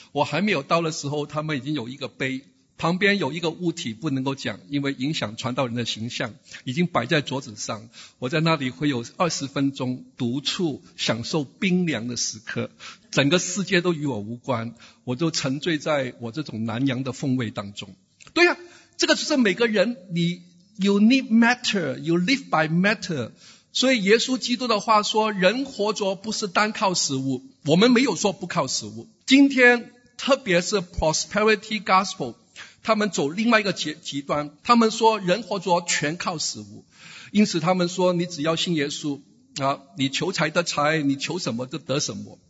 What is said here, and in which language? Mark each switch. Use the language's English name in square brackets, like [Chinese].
[Chinese] 我还没有到的时候，他们已经有一个杯旁边有一个物体不能够讲，因为影响传道人的形象，已经摆在桌子上。我在那里会有20分钟独处，享受冰凉的时刻，整个世界都与我无关，我就沉醉在我这种南洋的风味当中。对呀、啊，这个就是每个人，你 [English] you need matter， you live by matter。 [Chinese] 所以耶稣基督的话说，人活着不是单靠食物，我们没有说不靠食物。今天特别是 prosperity gospel，他们走另外一个极端，他们说人活着全靠食物，因此他们说你只要信耶稣啊，你求财得财，你求什么就得什么。